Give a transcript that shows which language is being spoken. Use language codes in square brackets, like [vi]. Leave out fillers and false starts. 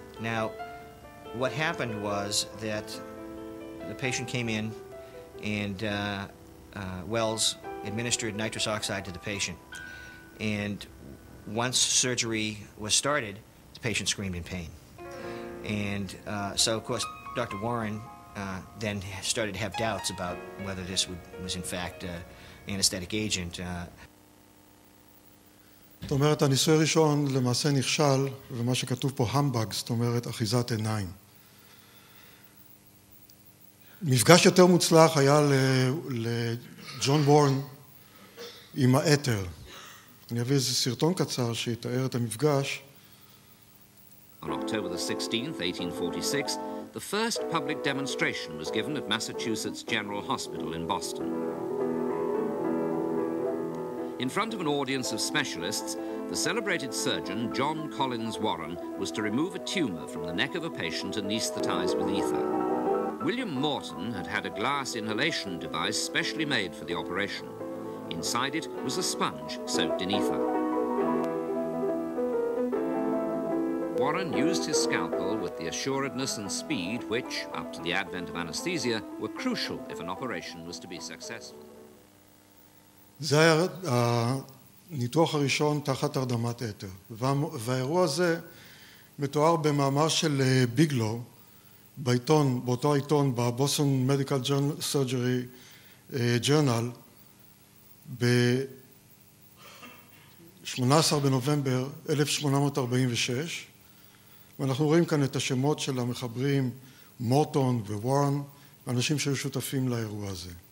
[en] Now, what happened was that the patient came in and Wells administered nitrous oxide to the patient. And once surgery was started, the patient screamed in pain. And so, of course, Dr. Warren then started to have doubts about whether this was in fact an anesthetic agent. [he] זאת אומרת, הניסוי הראשון למעשה נכשל, ומה שכתוב פה humbug, זאת אומרת, אחיזת עיניים. מפגש יותר מוצלח היה לג'ון וורן עם האתר. אני אביא איזה סרטון קצר שיתאר את המפגש. [en] On October the 16th, 1846, the first public demonstration was given at Massachusetts General Hospital in Boston. In front of an audience of specialists, the celebrated surgeon, John Collins Warren, was to remove a tumor from the neck of a patient anesthetized with ether. William Morton had had a glass inhalation device specially made for the operation. Inside it was a sponge soaked in ether. Warren used his scalpel with the assuredness and speed which, up to the advent of anesthesia, were crucial if an operation was to be successful. [he] זה היה הניתוח הראשון תחת הרדמת אתר. והאירוע הזה מתואר במאמר של ביגלו בעיתון, באותו עיתון, בבוסטון מדיקל סרג'רי ג'רנל, ב-18 בנובמבר 1846, ואנחנו רואים כאן את השמות של המחברים מורטון ווורן, אנשים שהיו שותפים לאירוע הזה.